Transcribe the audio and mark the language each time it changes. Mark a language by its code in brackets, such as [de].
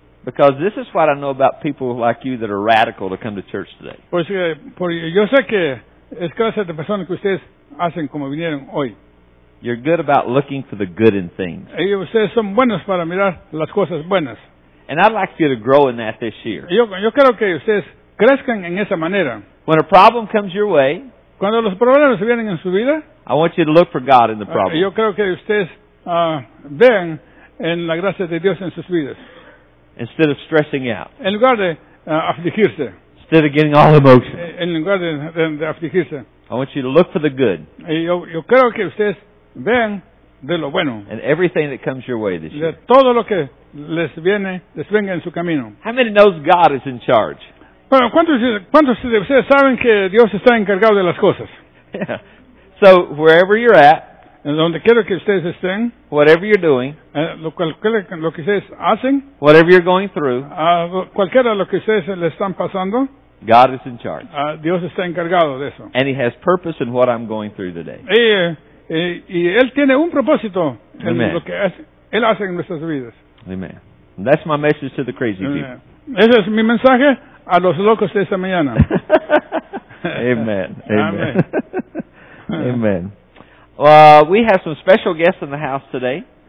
[en] Because this is what I know about people like you that are radical to come to church today. [es] Porque yo sé que es gracias a las personas que ustedes hacen como vinieron hoy. [en] You're good about looking for the good in things. [es] Y ustedes son buenos para mirar las cosas buenas. [en] And I'd like for you to grow in that this year. [es] Yo quiero que ustedes crezcan en esa manera. [en] When a problem comes your way, [es] cuando los problemas vienen en su vida, [en] I want you to look for God in the problem. [es] Yo creo que ustedes vean en la gracia de Dios en sus vidas. [en] Instead of stressing out. [es] En lugar de afligirse. [en] Instead of getting all emotional. [es] En lugar de afligirse. [en] I want you to look for the good. [es] Yo creo que ustedes vean de lo bueno. [en] And everything that comes your way this year. [es] De todo lo que les venga en su camino. [en] How many knows God is in charge? [es] Bueno, ¿cuántos de ustedes saben que Dios está encargado de las cosas? [en] So, wherever you're at, [es] en donde quiera que ustedes estén, [en] whatever you're doing, [es] lo que ustedes hacen, [en] whatever you're going through, [es] cualquiera lo que ustedes le están pasando, [en] God is in charge. [es] Dios está encargado de eso. [en] And He has purpose in what I'm going through today. [es] Y Él tiene un propósito en lo que Él hace en nuestras vidas. [en] Amen. And that's my message to the crazy people. [es] Ese es mi mensaje a los locos de esta mañana. [en] Amen. Amen. Amen. We have some special guests in the house today.